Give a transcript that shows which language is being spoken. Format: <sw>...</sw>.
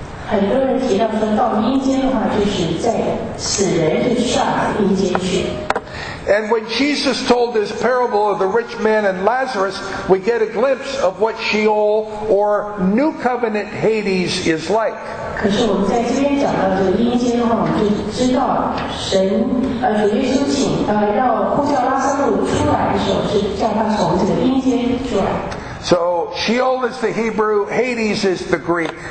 <zh>很多人提到说，到阴间的话，就是在死人的上阴间去。</zh> <en>And when Jesus told this parable of the rich man and Lazarus, we get a glimpse of what Sheol or New Covenant Hades is like.</en> <zh>可是我们在这边讲到这个阴间的话，我们就知道神主耶稣让呼叫拉撒路出来的时候，是叫他从这个阴间出来。</zh> <en>So Sheol is the Hebrew, Hades is the Greek.</en>